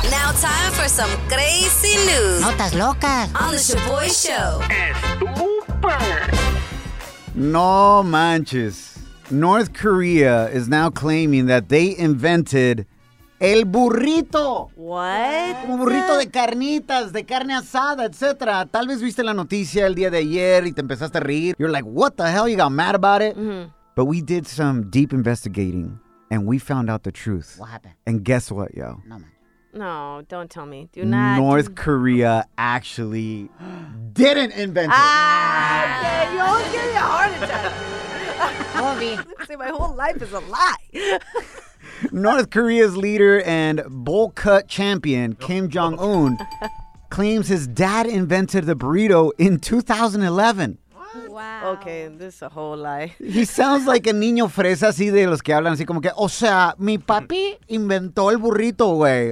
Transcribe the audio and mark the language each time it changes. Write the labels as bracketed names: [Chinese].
[English] Now time for some crazy news. [Spanish] Notas locas. [English] On the Shaboy Show. [Spanish] No manches. [English] North Korea is now claiming that they invented el burrito. What? [Spanish] Como burrito de carnitas, de carne asada, etc. Tal vez viste la noticia el día de ayer y te empezaste a reír. [English] You're like, what the hell? You got mad about it? Mm-hmm. But we did some deep investigating and we found out the truth. What happened? And guess what, yo? No, man. No, don't tell me. Do not. North Korea actually didn't invent it. Ah, yeah, you almost gave me a heart attack. Love me. See, my whole life is a lie. North Korea's leader and bowl cut champion, Kim Jong-un, claims his dad invented the burrito in 2011. Wow. Okay, this is a whole lie. He sounds like a [Spanish] niño fresa, así de los que hablan, así como que, o sea, mi papi inventó el burrito, güey.